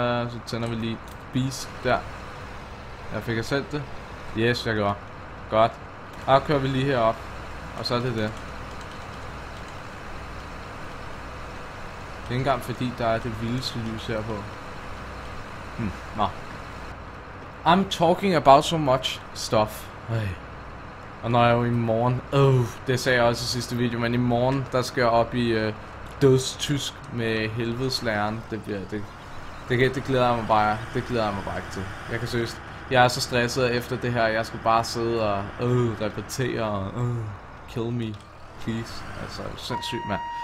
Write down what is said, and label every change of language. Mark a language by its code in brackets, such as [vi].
[da] Så tænder vi lige beast der. Jeg fik selv det. Yes, jeg gjorde. Godt. Og kører vi lige herop. Og så er det. Det er ikke engang fordi, der er det vildeste lys her på. Nå. [en] I'm talking about so much stuff. Hey. [da] Og når jeg jo i morgen, det sagde jeg også i sidste video, men i morgen, der skal jeg op i dødstysk med helvedeslæren. Det glæder jeg mig bare, det glæder jeg mig bare ikke til. Jeg kan seriøst, jeg er så stresset efter det her, jeg skal bare sidde og repetere og [en] kill me, please. [da] Altså, sindssygt mand.